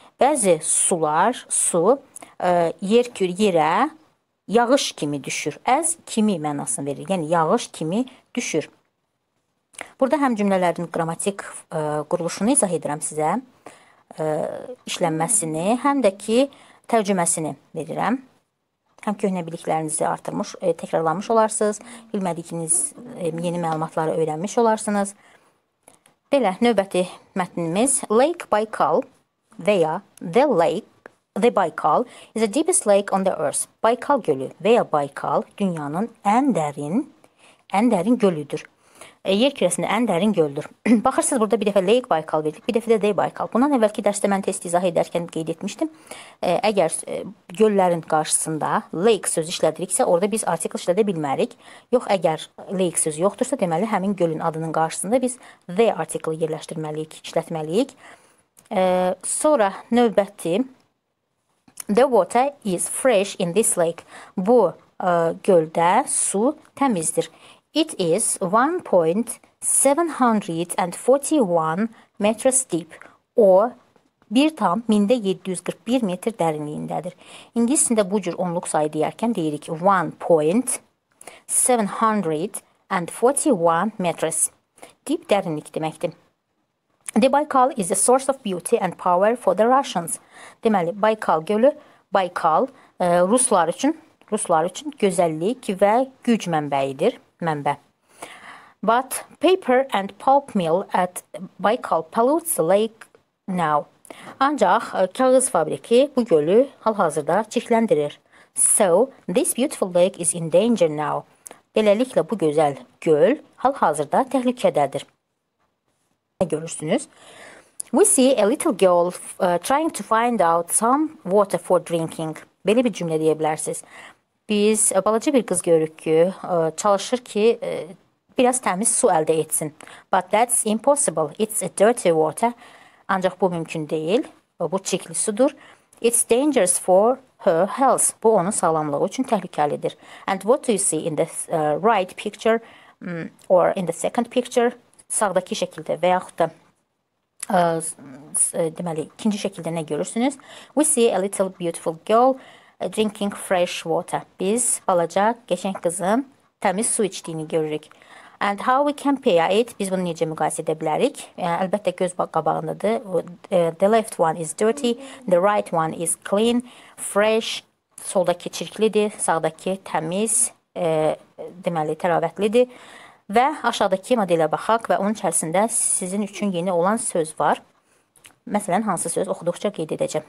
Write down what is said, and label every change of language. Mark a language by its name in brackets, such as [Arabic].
[Azerbaijani] Bəzi sular, su, yerə yağış kimi düşür. As kimi mənasını verir. Yəni, yağış kimi düşür. Burada həm cümlələrin qramatik quruluşunu izah edirəm sizə. İşlənməsini, həm də ki, tərcüməsini verirəm. Həm köhnə biliklərinizi artırmış, təkrarlamış olarsınız. Bilmədiyiniz yeni məlumatları öyrənmiş olarsınız. Belə, növbəti mətnimiz Lake Baikal. Veya [English] the lake, the Baikal is the deepest lake on the earth. [Azerbaijani] Baikal gölü veya Baikal dünyanın ən dərin gölüdür. Yer kürəsində ən dərin göldür. Baxırsınız burada bir dəfə Lake Baikal verdik, bir dəfə də the Baikal. Bundan əvvəlki dərsdə mən test izah edərkən qeyd etmişdim. Əgər göllərin qarşısında lake sözü işlədiriksə, orada biz artikl işlədə bilmərik. Yox, əgər lake sözü yoxdursa, deməli həmin gölün adının qarşısında biz the artiklı yerləşdirməliyik, işlətməliyik. Sonra növbəti, [English] the water is fresh in this lake. [Azerbaijani] Bu göldə su təmizdir. [English] It is 1.741 metres deep. [Azerbaijani] O, 1.741 metr dərinliyindədir. İngilisində bu cür onluq sayı deyərkən deyirik 1.741 metres. Deep dərinlik deməkdir. [English] The Baikal is a source of beauty and power for the Russians. [Azerbaijani] Deməli, Baikal gölü, Baikal Ruslar üçün gözəllik və güc mənbəyidir, mənbə. [English] But paper and pulp mill at Baikal pollutes the lake now. [Azerbaijani] Ancaq kağız fabriki bu gölü hal-hazırda çirkləndirir. [English] So, this beautiful lake is in danger now. [Azerbaijani] Beləliklə, bu gözəl göl hal-hazırda təhlükədədir. Görürsünüz. [English] We see a little girl trying to find out some water for drinking. [Azerbaijani] Belə bir cümlə deyə bilərsiniz. Biz balaca bir qız görürük ki, çalışır ki, biraz təmiz su əldə etsin. [English] But that's impossible. It's a dirty water. [Azerbaijani] Ancaq bu mümkün deyil. Bu çirkli sudur. [English] It's dangerous for her health. [Azerbaijani] Bu onun sağlamlığı üçün təhlükəlidir. [English] And what do you see in the right picture or in the second picture? [Azerbaijani] Sağdakı şəkildə və yaxud da deməli, ikinci şəkildə nə görürsünüz? [English] We see a little beautiful girl drinking fresh water. [Azerbaijani] Biz balaca, qəşəng qızın təmiz su içdiyini görürük. [English] And how we compare it? [Azerbaijani] Biz bunu necə müqayisə edə bilərik? Əlbəttə göz qabağındadır. [English] The left one is dirty, the right one is clean, fresh. [Azerbaijani] Soldakı çirklidir, sağdakı təmiz, deməli, təravətlidir. Və aşağıdakı modelə baxaq və onun içərisində sizin üçün yeni olan söz var. Məsələn, hansı söz oxuduqca qeyd edəcəm.